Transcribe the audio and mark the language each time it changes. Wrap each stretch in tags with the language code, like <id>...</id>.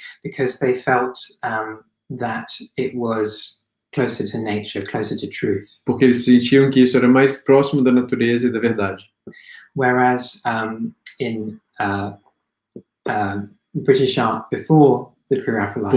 <en>Because they felt that it was closer to nature, closer to truth.</en> <pt>Porque eles sentiam que isso era mais próximo da natureza e da verdade.</pt> <en>Whereas in British art before the Pre-Raphaelites.</en>